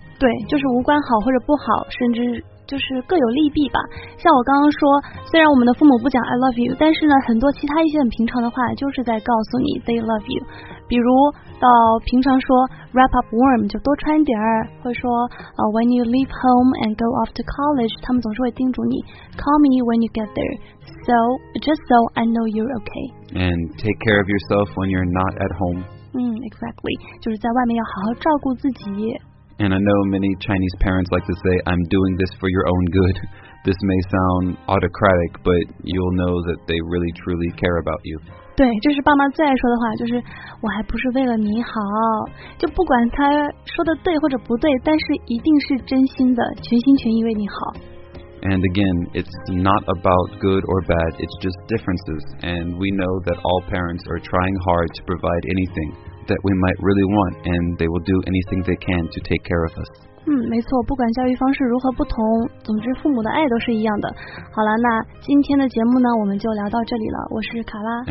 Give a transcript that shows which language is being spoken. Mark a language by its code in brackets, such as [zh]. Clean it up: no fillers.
[zh] 对，就是无关好或者不好，甚至就是各有利弊吧。像我刚刚说，虽然我们的父母不讲 [en] I love you, [zh] 但是呢，很多其他一些很平常的话，就是在告诉你 [en] they love you. [zh] 比如到平常说 [en] wrap up warm, [zh] 就多穿点儿，或者说 [en] when you leave home and go off to college, [zh] 他们总是会叮嘱你 [en] call me when you get there. So, just so I know you're okay. And take care of yourself when you're not at home. Exactly. [zh] 就是在外面要好好照顾自己。 [en] And I know many Chinese parents like to say, I'm doing this for your own good. This may sound autocratic, but you'll know that they really truly care about you. [zh] 对，这是爸妈最爱说的话，就是我还不是为了你好。就不管他说的对或者不对，但是一定是真心的，全心全意为你好。 [en] And again, it's not about good or bad, it's just differences. And we know that all parents are trying hard to provide anything that we might really want, and they will do anything they can to take care of us. [zh] 嗯，没错，不管教育方式如何不同，总之父母的爱都是一样的。好了，那今天的节目呢，我们就聊到这里了。我是卡拉。